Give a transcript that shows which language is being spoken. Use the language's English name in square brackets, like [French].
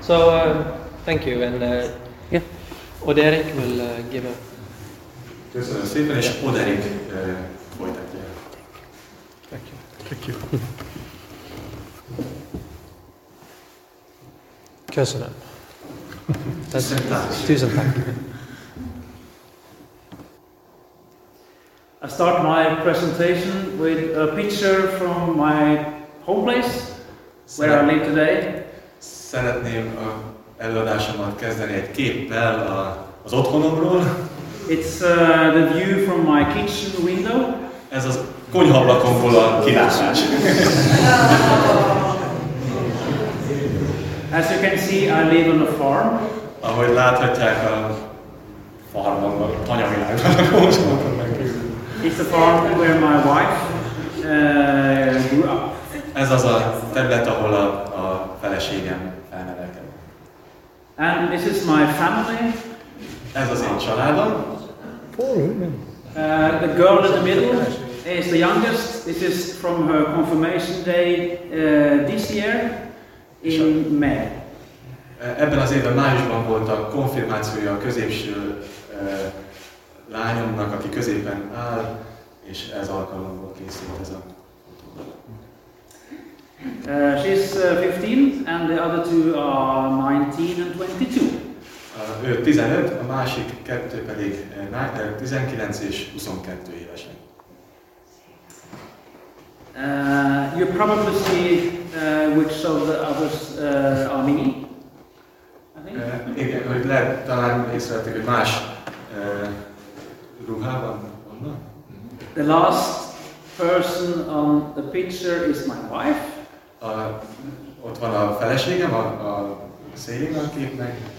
[English] So thank you, and yeah, Oderik will give up. [Hungarian] Köszönöm szépen, és Oderik folytatja. [English] Thank you. Thank you. [Hungarian] Köszönöm. Tisztelt. [English] I start my presentation with a picture from my home place. Where I live today. [Hungarian] Szeretném a előadásomat kezdeni egy képpel az otthonomról. [English] It's the view from my kitchen window. [Hungarian] Ez az konyhaablakomból a kilátás. [English] As you can see, I live on a farm. [Hungarian] Ahogy láthatják, a farmon, a tanyavilágban. [English] It's a farm where my wife grew up. [Hungarian] Ez az a terület, ahol a feleségem felnevelkedett. [English] And this is my family. [Hungarian] Ez az én családom. [English] The girl in the middle is the youngest. This is from her confirmation day this year in May. [Hungarian] Ebben az évben májusban volt a konfirmációja a középső lányomnak, aki középen áll, és ez alkalomból készült ez a. [English] She's 15 and the other two are 19 and 22. [Hungarian] Ő 15, a másik kettő pedig 19 és 22 évesen. [English] You probably see which of the others are me. [Hungarian] Igen, hogy lehet talán észrevettek, hogy más ruhában vannak. [English] The last person on the picture is my wife. [Hungarian] Ott van a feleségem, a szélén a képnek.